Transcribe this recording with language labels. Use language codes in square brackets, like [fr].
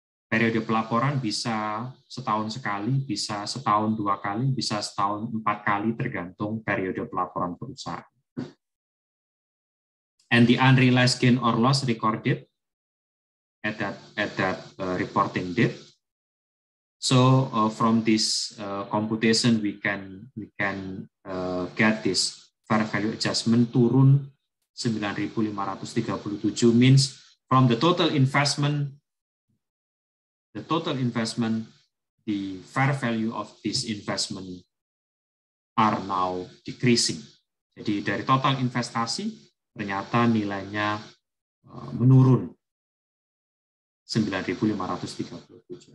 [id] Periode pelaporan bisa setahun sekali, bisa setahun dua kali, bisa setahun empat kali, tergantung periode pelaporan perusahaan. [en] And the unrealized gain or loss recorded at that reporting date. So from this computation, we can get this fair value adjustment [id] turun [en] 9537, means from the total investment, the fair value of this investment are now decreasing. [id] Jadi dari total investasi ternyata nilainya menurun 9537.